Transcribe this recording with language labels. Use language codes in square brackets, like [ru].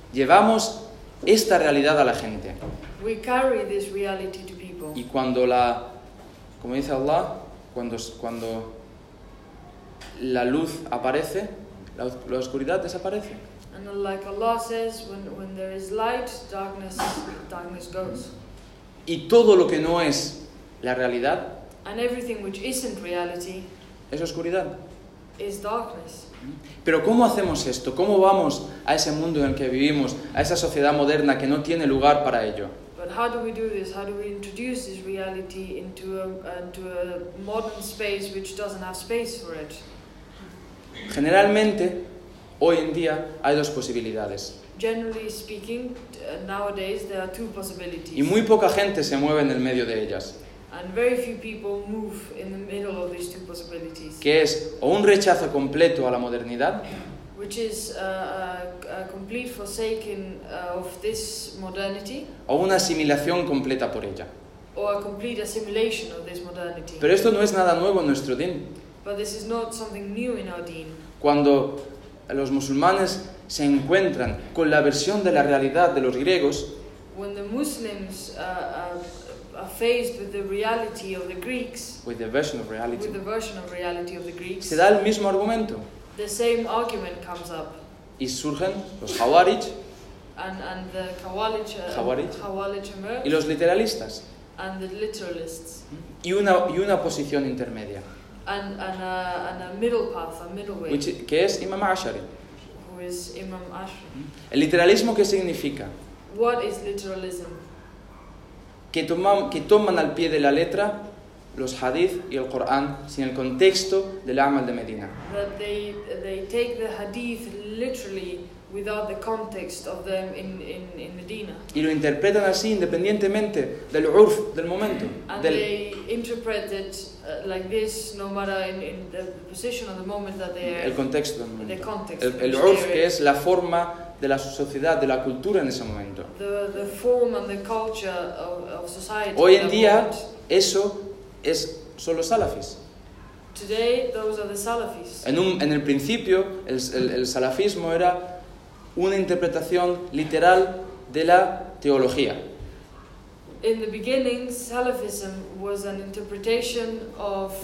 [es] Llevamos esta realidad a la gente. [en] We carry this reality to people. [es] Y cuando la, como dice Allah, cuando la luz aparece, la oscuridad desaparece. [en] And like Allah says, when there is light, darkness goes. [es] Y todo lo que no es la realidad, [en] and everything which isn't reality, [es] es oscuridad. [en] Is darkness. [es] Pero ¿cómo hacemos esto? ¿Cómo vamos a ese mundo en el que vivimos, a esa sociedad moderna que no tiene lugar para ello? [en] But how do we do this? How do we introduce this reality into a modern space which doesn't have space for it? [es] Generalmente, hoy en día, hay dos posibilidades. [en] generally speaking, nowadays there are two possibilities. [es] Y muy poca gente se mueve en el medio de ellas. [en] And very few people move in the middle of these two possibilities. [es] Que es o un rechazo completo a la modernidad. [en] Which is a complete forsaking of this modernity. [es] O una asimilación completa por ella. [en] Or a complete assimilation of this modernity. [es] Pero esto no es nada nuevo en nuestro din. [en] But this is not something new in our din. [es] Cuando los musulmanes se encuentran con la versión de la realidad de los griegos, [en] when the Muslims are faced with the reality of the Greeks, with the version of reality, with the version of reality of the Greeks, [es] se da el mismo argumento. [en] The same argument comes up. [es] Y surgen los Khawarij [en] and the Khawarij emerge, [es] y los literalistas. [en] And the literalists. [es] Y una posición intermedia. [en] And a middle path, a middle way. Which, [es] que es Imam Ashari. [en] Who is Imam Ashari. [es] ¿El literalismo qué significa? [en] What is literalism? [es] Que toman al pie de la letra los hadith y el Corán sin el contexto del Amal de Medina. [en] That they take the hadith literally without the context of them in Medina. [es] Y lo interpretan así independientemente del urf del momento. [en] They interpret it like this no matter in the position of the moment that they are. [es] El contexto del momento. [en] The context. [es] El urf que es la forma de la sociedad, de la cultura en ese momento. [en] The form and the culture of society. [es] Hoy en día eso es solo salafis. [en] Today those are the salafis. [es] En el principio el salafismo era una interpretación literal de la teología. [en] In the beginning, Salafism was an interpretation of